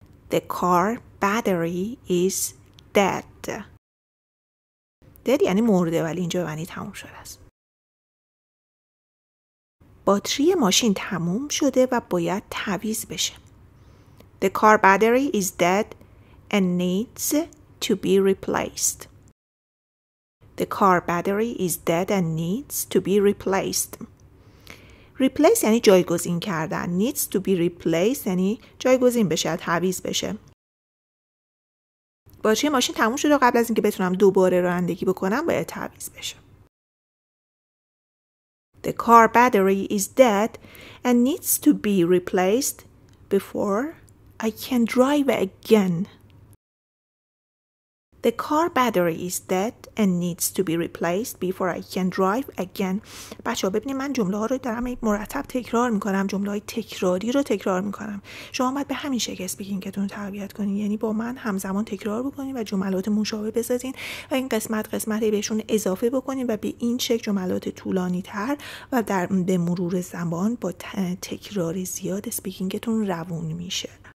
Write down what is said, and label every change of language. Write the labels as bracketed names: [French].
[English] The car battery is dead. [Persian] دید یعنی مرده، ولی اینجا معنی تموم شده است. باتری ماشین تموم شده و باید تعویض بشه. [English] The car battery is dead and needs to be replaced. The car battery is dead and needs to be replaced. [Persian] Replace یعنی جایگزین کردن. [English] Needs to be replaced [Persian] یعنی جایگزین بشه، تعویض بشه. باتری ماشین تموم شده و قبل از اینکه بتونم دوباره رانندگی بکنم باید تعویض بشه. [English] The car battery is dead and needs to be replaced before I can drive again. The car battery is dead and needs to be replaced before I can drive again. [Persian] بچه‌ها ببینید، من جمله‌ها رو دارم مرتب تکرار می‌کنم، جمله‌های تکراری رو تکرار می‌کنم. شما باید به همین شکل اسپیکینگ تون رو تربیت کنین، یعنی با من همزمان تکرار بکنین و جملات مشابه بسازین و این قسمت قسمتی بهشون اضافه بکنین و به این شکل جملات طولانی‌تر و در به مرور زمان با تکرار زیاد اسپیکینگ تون روون میشه.